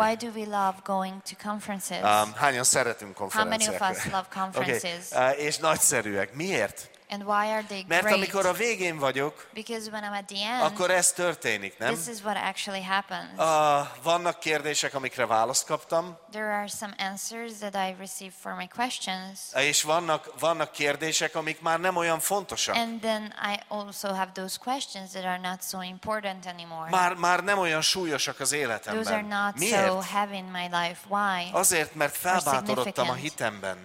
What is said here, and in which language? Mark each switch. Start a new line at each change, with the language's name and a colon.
English: Why do we love going to conferences?
Hungarian: Hányan szeretünk konferenciákra?
English: How many of us love conferences?
Hungarian: Okay. És nagyszerűek. Miért?
English: And why are they great?
Hungarian: Mert amikor a végén vagyok,
English: because when I'm at the end,
Hungarian: akkor ez történik, nem?
English: This is what actually happens.
Hungarian: Vannak kérdések, amikre választ kaptam.
English: There are some answers that I received for my questions.
Hungarian: És vannak kérdések, amik már nem olyan fontosak.
English: And then I also have those questions that are not so important anymore.
Hungarian: Már nem olyan súlyosak az életemben.
English: Those are not
Hungarian: Miért?
English: So heavy in my life. Why?
Hungarian: Azért, mert felbátorodtam a hitemben.